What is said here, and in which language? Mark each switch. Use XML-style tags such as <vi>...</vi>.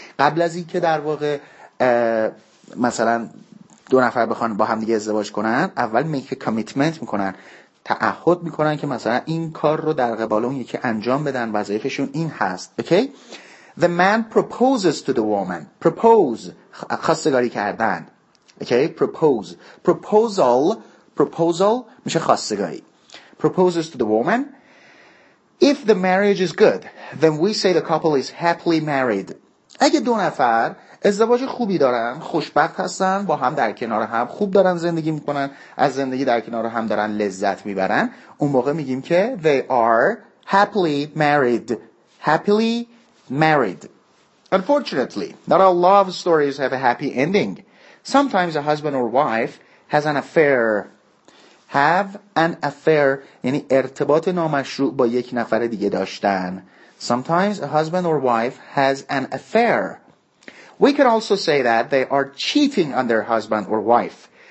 <fa>قبل از این که در واقع مثلا دو نفر بخوان با همدیگه ازدواج کنن، اول</fa> <en>make a commitment</en> <fa>میکنن، تعهد میکنن که مثلا این کار رو در قبال اون یکی انجام بدن، وظایفشون این هست.</fa> <en>Okay? The man proposes to the woman.</en> <fa>Propose، خواستگاری کردن. اوکی؟ Propose. Proposal، proposal میشه خواستگاری.</fa> <en>Proposes to the woman. If the marriage is good, then we say the couple is happily married.</en> <fa>اگه دو نفر ازدواج خوبی دارن، خوشبخت هستن، با هم در کنار هم خوب دارن زندگی میکنن، از زندگی در کنار هم دارن لذت میبرن، اون موقع میگیم که</fa> <en>they are happily married. Happily married. Unfortunately, not all love stories have a happy ending. Sometimes a husband or wife has an affair. Have an affair</en> <fa>یعنی ارتباط نامشروع با یک نفر دیگه داشتن.</fa> <en>Sometimes a husband or wife has an affair. We could also say that they are cheating on their husband or wife.</en>